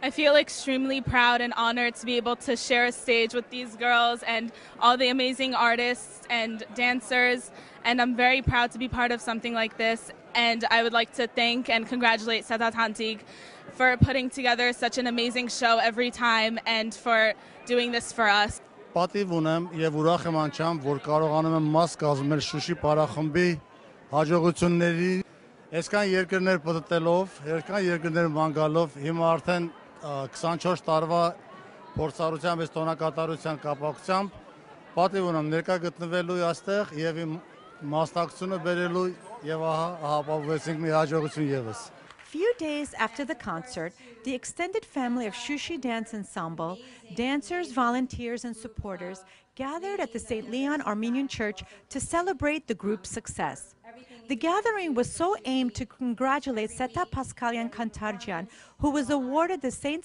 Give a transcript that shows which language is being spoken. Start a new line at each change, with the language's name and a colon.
English: I feel extremely proud and honored to be able to share a stage with these girls and all the amazing artists and dancers, and I'm very proud to be part of something like this, and I would like to thank and congratulate Seta Tantik for putting together such an amazing show every time and for doing this for us.
Armenian: Պատիվ ունեմ եւ ուրախ եմ անչամ, որ կարողանում եմ մաս կազմել Շուշի պարախմբի հաջողությունների. Այսքան երկրներ պտտելով, այսքան երկրներ մանգալով, հիմա արդեն 24 տարվա փորձառությամբ ես տոնակատարության կապակցությամբ պատիվ ունեմ ներկա գտնվելու այստեղ եւ իմ մասնակցությունը բերելու եւ ահա ապավեցինք մի հաջողություն եւս.
English: Few days after the concert, the extended family of Shushi Dance Ensemble, dancers, volunteers, and supporters gathered at the St. Leon Armenian Church to celebrate the group's success. The gathering was so aimed to congratulate Seta Paskalian Kantardjian, who was awarded the St.